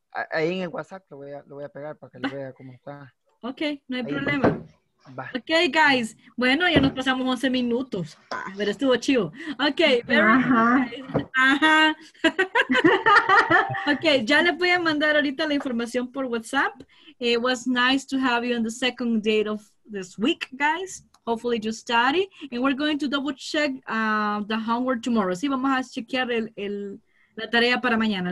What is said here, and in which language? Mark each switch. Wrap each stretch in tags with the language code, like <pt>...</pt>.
<es>Ahí en el WhatsApp lo voy a pegar para que lo vea cómo está. Ok, no hay problema. Bye. Ok, guys. Bueno, ya nos pasamos 11 minutos. Pero estuvo chido. Ok. Ajá. Ok, ya les voy a mandar ahorita la información por WhatsApp.</es> <en>It was nice to have you on the second date of this week, guys. Hopefully you study. And we're going to double check the homework tomorrow.</en> <es>Sí, vamos a chequear la tarea para mañana.</es>